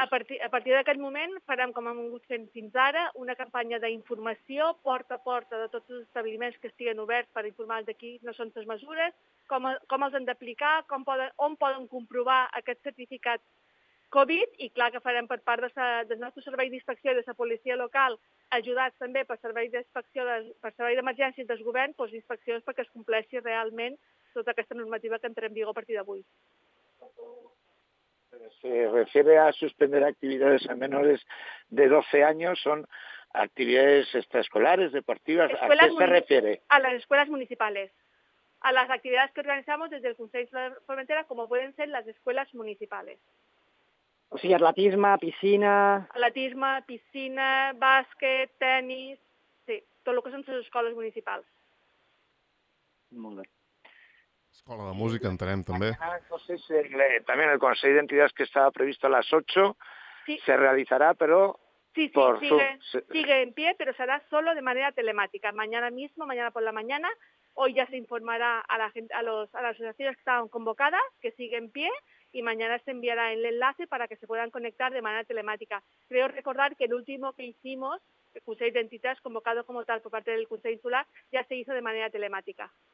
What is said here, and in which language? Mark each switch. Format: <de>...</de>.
<ca>A partir d'aquest moment farem, com hem hagut fent fins ara, una campanya d'informació porta a porta de tots els establiments que estiguen oberts per informar de quines són les mesures, com els han d'aplicar, on poden comprovar aquest certificat Covid, i clar que farem per part del nostre servei d'inspecció i de la policia local, ajudats també per servei d'inspecció, per servei d'emergències del govern, doncs inspeccions perquè es compleixi realment tota aquesta normativa que entra en vigor a partir d'avui.</ca> <es>Se refiere a suspender actividades a menores de 12 años, son actividades extraescolares, deportivas, escuelas, ¿a qué se refiere? A las escuelas municipales, a las actividades que organizamos desde el Consell de Formentera, como pueden ser las escuelas municipales.</es> <ca>O sigui, atletisme, piscina... Atletisme, piscina, bàsquet, tennis, sí, tot el que són les escoles municipals. Molt bé. Escola de música, entenem, també. Entonces, también el Consell d'Entidades que estava previst a les 8, sí, se realitzarà, però...</ca> <es>Sí, sigue en pie, però serà solo de manera telemàtica. Mañana mismo, mañana por la mañana, hoy ya se informará a la gente, a las asociaciones que estaban convocadas, que sigue en pie, y mañana se enviará el enlace para que se puedan conectar de manera telemática. Creo recordar que el último que hicimos, el Consell d'Entitats, convocado como tal por parte del Consell Insular, ya se hizo de manera telemática.</es>